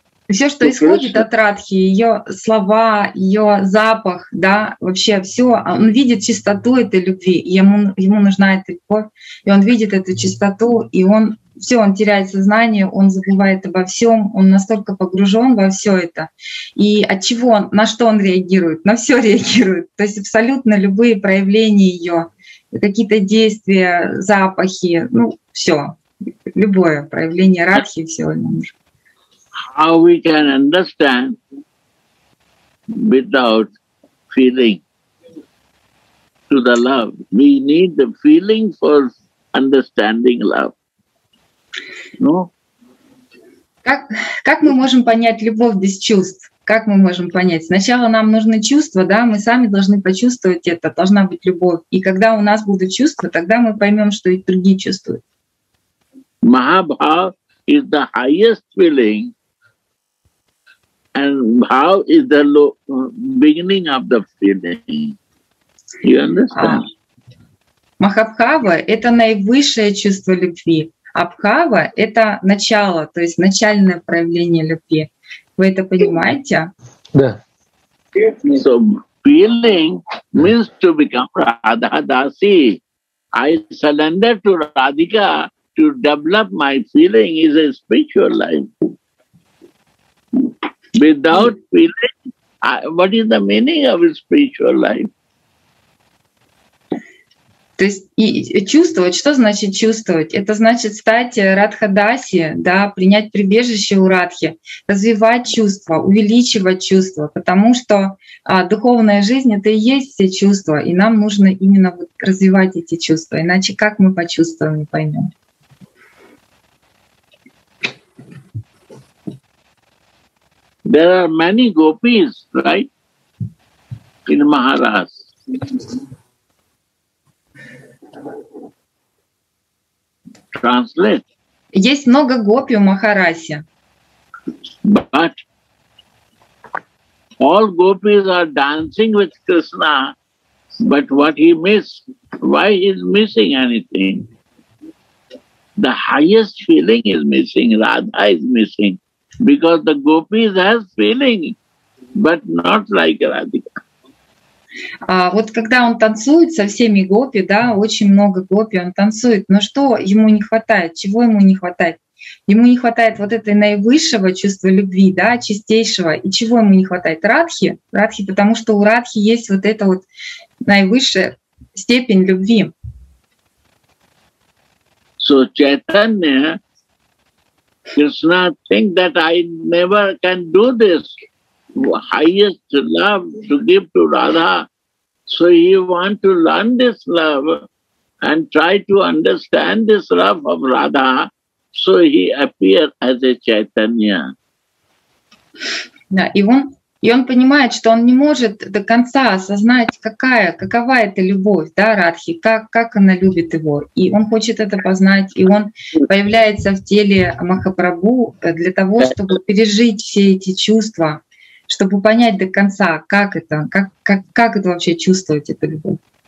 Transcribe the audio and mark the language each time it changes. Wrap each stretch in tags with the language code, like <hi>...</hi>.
<ru>Все, что исходит от Радхи, ее слова, ее запах, да, вообще все, он видит чистоту этой любви, ему нужна эта любовь, и он видит эту чистоту, и он все, он теряет сознание, он забывает обо всем, он настолько погружен во все это. И от чего он, на что он реагирует? На все реагирует. То есть абсолютно любые проявления ее, какие-то действия, запахи, ну, все, любое проявление Радхи, все ему нужно.</ru> <en>How we can understand without feeling to the love? We need the feeling for understanding love. No?</en> <ru>Как мы можем понять любовь без чувств? Как мы можем понять? Сначала нам нужны чувства, да, мы сами должны почувствовать это, должна быть любовь. И когда у нас будут чувства, тогда мы поймем, что и другие чувствуют.</ru> <en>Mahabhava is the highest feeling. And how is the beginning of the feeling? You understand?</en> <ru>Махабхава — это наивысшее чувство любви. Абхава — это начало, то есть начальное проявление любви. Вы это понимаете? Да.</ru> <en>So feeling means to become Radha-dasi. I surrender to Radhika to develop my feeling is a spiritual life. Without feeling, what is the meaning of a spiritual life?</en> <ru>То есть и чувствовать, что значит чувствовать? Это значит стать Радхадаси, да, принять прибежище у Радхи, развивать чувства, увеличивать чувства, потому что духовная жизнь — это и есть все чувства, и нам нужно именно вот развивать эти чувства, иначе как мы почувствуем, не поймем.</ru> <en>There are many gopis, right? in Maharas. Translate.</en> <ru>Есть много гопи в Махарасе.</ru> <en>But all gopis are dancing with Krishna, but what he missed, why he is missing anything? The highest feeling is missing, Radha is missing, because the gopis has feeling, but not like Radhika.</en> <ru>А вот когда он танцует со всеми гопи, да, очень много гопи, он танцует, но что ему не хватает, чего ему не хватает? Ему не хватает вот этой наивысшего чувства любви, да, чистейшего. И чего ему не хватает? Радхи. Радхи, потому что у Радхи есть вот эта вот наивысшая степень любви.</ru> <en>So Chaitanya, Krishna think that I never can do this. Highest love to give to Radha. So he want to learn this love and try to understand this love of Radha. So he appear as a Chaitanya.</en> <ru>Да, и он понимает, что он не может до конца осознать, какова эта любовь, да, Радхи, как она любит его. И он хочет это познать, и он появляется в теле Махапрабху для того, чтобы пережить все эти чувства, чтобы понять до конца, как это вообще чувствовать эту любовь.</ru>